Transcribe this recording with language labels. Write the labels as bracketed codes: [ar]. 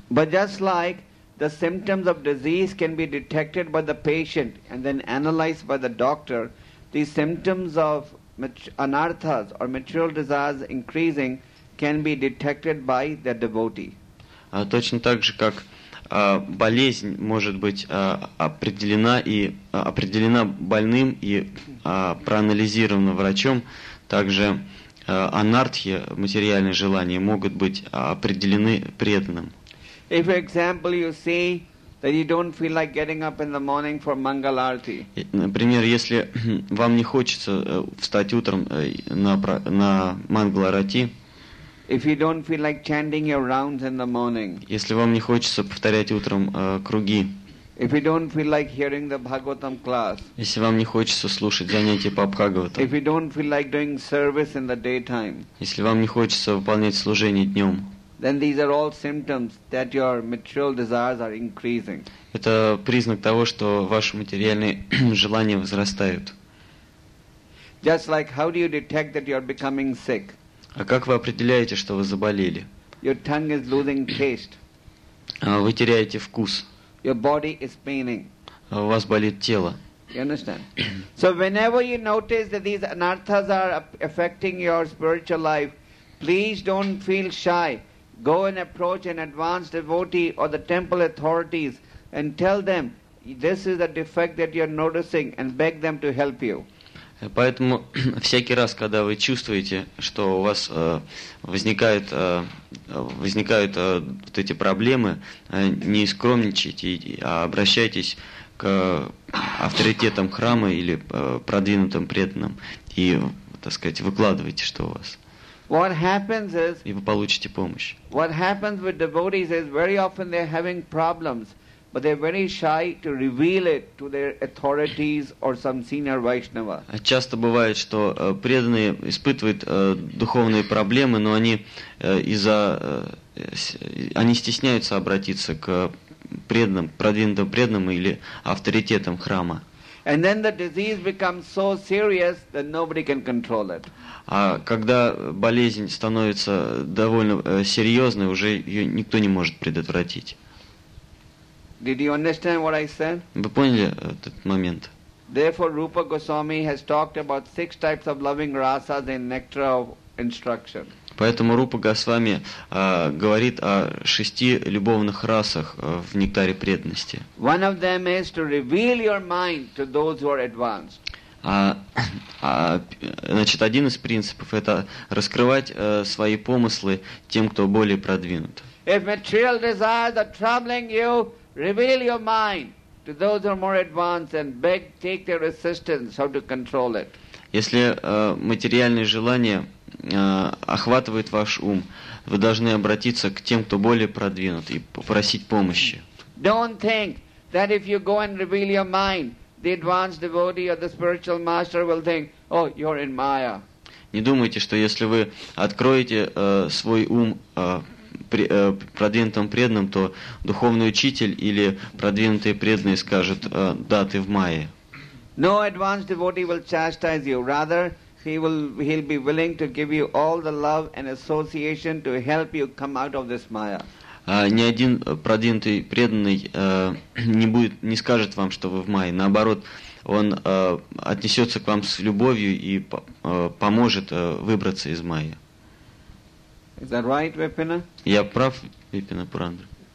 [en] But just like the symptoms of disease can be detected by the patient and then analyzed by the doctor, the symptoms of anarthas or material desires increasing can be detected by the devotee. [ru] Точно так же, как болезнь может быть определена больным и проанализирована врачом, также анартхи, материальные желания, могут быть определены преданным. [en] If, for example, you see that you don't feel like getting up in the morning for Mangal Arati. [ru] Например, если вам не хочется встать утром на Mangal Arati. [en] If you don't feel like chanting your rounds in the morning. [ru] Если вам не хочется повторять утром круги. [en] If you don't feel like hearing the Bhagavatam class, [ru] если вам не хочется слушать занятия по Бхагаватам, [en] if you don't feel like doing service in the daytime, [ru] если вам не хочется выполнять служение днем, [en] then these are all symptoms that your material desires are increasing. [ru] Это признак того, что ваши материальные желания возрастают. [en] Just like, how do you detect that you are becoming sick? [ru] А как вы определяете, что вы заболели? [en] Your tongue is losing taste. [ru] Вы теряете вкус. [en] Your body is paining. [ru] У вас болит тело. [en] You understand? So whenever you notice that these anarthas are affecting your spiritual life, please don't feel shy. Go and approach an advanced devotee or the temple authorities and tell them this is a defect that you are noticing and beg them to help you. [ru] Поэтому всякий раз, когда вы чувствуете, что у вас вот эти проблемы, не скромничайте, а обращайтесь к авторитетам храма или продвинутым преданным и, так сказать, выкладывайте, что у вас. [en] What happens is, [ru] и вы получите помощь. [en] What happens with devotees is very often they're having problems, but they're very shy to reveal it to their authorities or some senior Vaishnava. [ru] Часто бывает, что преданные испытывают духовные проблемы, но они они стесняются обратиться к преданным, продвинутым преданным или авторитетам храма. [en] And then the disease becomes so serious that nobody can control it. [ru] А когда болезнь становится довольно серьезной, уже ее никто не может предотвратить. [en] Did you understand what I said? [ru] Вы поняли этот момент? [en] Therefore, Rupa Goswami has talked about six types of loving rasas in Nectar of Instruction. [ru] Поэтому Рупа Госвами говорит о шести любовных расах в Нектаре преданности. [en] One of them is to reveal your mind to those who are advanced. [ru] Значит, один из принципов – это раскрывать свои помыслы тем, кто более продвинут. [en] If material desires are troubling you, reveal your mind to those who are more advanced and beg, take their assistance how to control it. [ru] Если материальные желания охватывают ваш ум, вы должны обратиться к тем, кто более продвинут, и попросить помощи. [en] Don't think that if you go and reveal your mind, the advanced devotee or the spiritual master will think, oh, you're in Maya. [ru] Не думайте, что если вы откроете свой ум продвинутым преданным, то духовный учитель или продвинутые преданные скажут, да, ты в Майе. [en] No advanced devotee will chastise you. Rather, he'll be willing to give you all the love and association to help you come out of this Maya. [ru] Ни один продвинутый преданный не скажет вам, что вы в Майе. Наоборот, он отнесется к вам с любовью и поможет выбраться из Майи. [en] Is that right, Vipina? [ru] Я прав, Випина Пурандра?